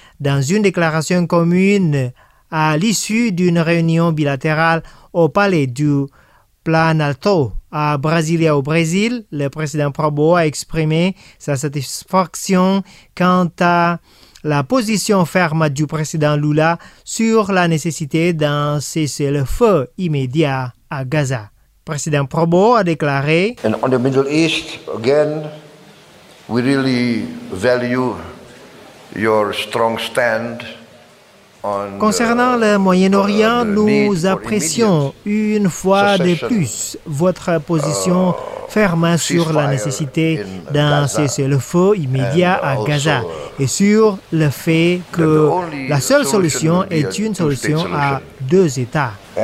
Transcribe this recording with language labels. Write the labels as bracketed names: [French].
[French] Dans une déclaration commune à l'issue d'une réunion bilatérale au palais du Planalto à Brasilia au Brésil, le président Prabowo a exprimé sa satisfaction quant à la position ferme du président Lula sur la nécessité d'un cessez-le-feu immédiat à Gaza. Président Prabowo a déclaré: [English] And on the Middle East, again, we really value your strong stand. [French] Concernant le Moyen-Orient, nous apprécions une fois de plus votre position ferme sur la nécessité d'un cessez-le-feu immédiat à Gaza et sur le fait que la seule solution est une solution à deux États.